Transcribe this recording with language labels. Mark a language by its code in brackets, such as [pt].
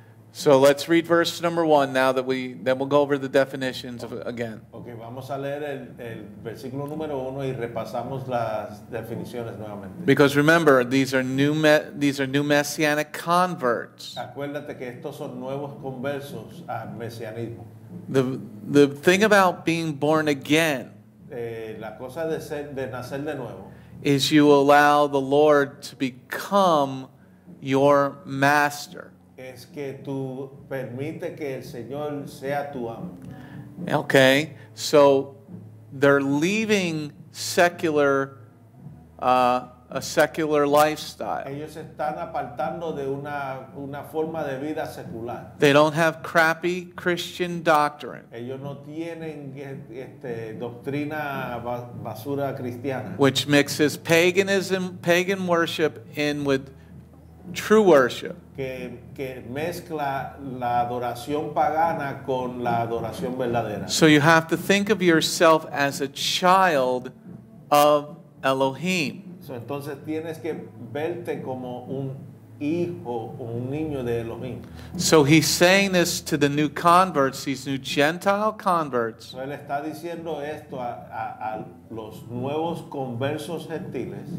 [en] So let's read verse number one now that we, then we'll go over the definitions again. [es] Okay, vamos a leer el versículo número uno y repasamos las definiciones nuevamente. [en] Because remember, these are new messianic converts. [es] Acuérdate que estos son nuevos conversos al mesianismo. [en] The thing about being born again. [es] La cosa de nacer de nuevo. [en] Is you allow the Lord to become your master. [es] Es que tú permite que el Señor sea tu amo. [en] Okay, so they're leaving a secular lifestyle. [es] Ellos están apartando de una forma de vida secular. [en] They don't have crappy Christian doctrine. [es] Ellos no tienen doctrina basura cristiana. [en] Which mixes paganism, pagan worship in with true worship. [es] Que mezcla la adoración pagana con la adoración verdadera. [en] So you have to think of yourself as a child of Elohim. [es] Entonces tienes que verte como un hijo o un niño de Elohim. [en] So he's saying this to the new converts, these new Gentile converts. [es] Él está diciendo esto a los nuevos conversos gentiles.